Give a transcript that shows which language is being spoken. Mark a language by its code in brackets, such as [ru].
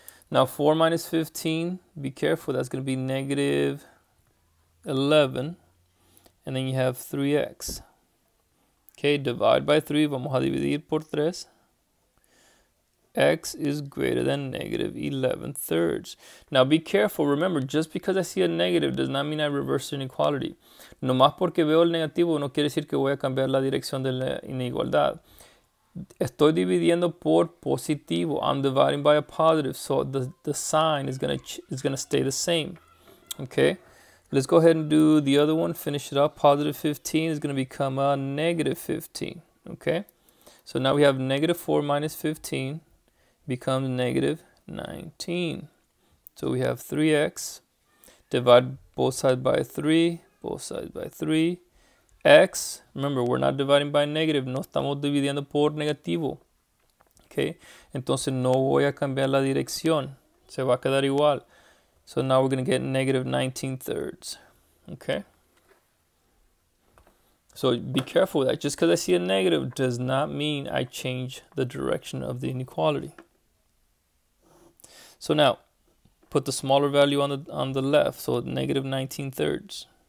[en] Now 4 minus 15, be careful, that's going to be negative 11. And then you have 3x. Okay, divide by 3, [es] vamos a dividir por 3. [en] X is greater than negative 11 thirds. Now be careful, remember, just because I see a negative does not mean I reverse inequality. [es] No más porque veo el negativo no quiere decir que voy a cambiar la dirección de la inigualdad. Estoy dividiendo por positivo. [en] I'm dividing by a positive, so the sign is gonna stay the same. Okay, let's go ahead and do the other one, finish it up. Positive 15 is going to become a negative 15. Okay, so now we have negative 4 minus 15 becomes negative 19. So we have 3x, divide both sides by 3, both sides by 3. X, remember, we're not dividing by negative, [es] no estamos dividiendo por negativo. Okay, entonces no voy a cambiar la dirección, se va a quedar igual. [en] So now we're going to get negative 19 thirds. Okay, so be careful with that. Just because I see a negative does not mean I change the direction of the inequality. So now put the smaller value on the left, so negative 19 thirds.